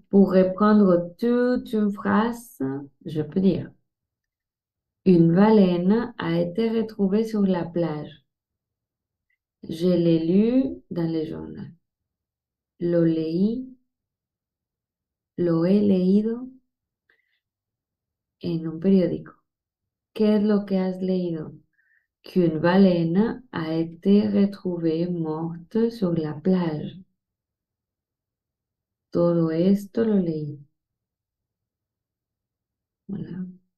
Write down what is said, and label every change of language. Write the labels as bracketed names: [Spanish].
[French] Pour reprendre toute une phrase, je peux dire, une baleine a été retrouvée sur la plage. Je l'ai lu dans les journaux. [Spanish] Lo he leído en un periódico. ¿Qué es lo que has leído? [French] Qu'une baleine a été retrouvée morte sur la plage. [Spanish] Todo esto lo leí. Hola.